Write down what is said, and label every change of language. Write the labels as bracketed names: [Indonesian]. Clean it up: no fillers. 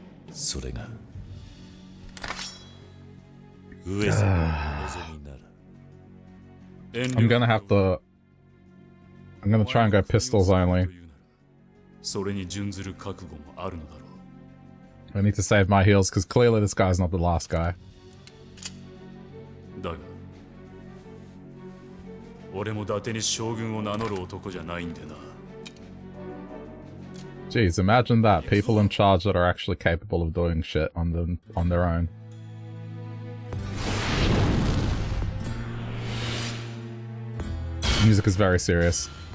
[Japanese] それが上様の望みなら、 [English] I'm gonna try and go pistols only. [Japanese] それに準ずる覚悟もあるのだろう。 [English] I need to save my heels because clearly this guy's not the last guy. [Japanese] だが、俺も伊達に将軍を名乗る男じゃないんでな。 [English] Jeez, imagine that. People in charge that are actually capable of doing shit on their own. The music is very serious.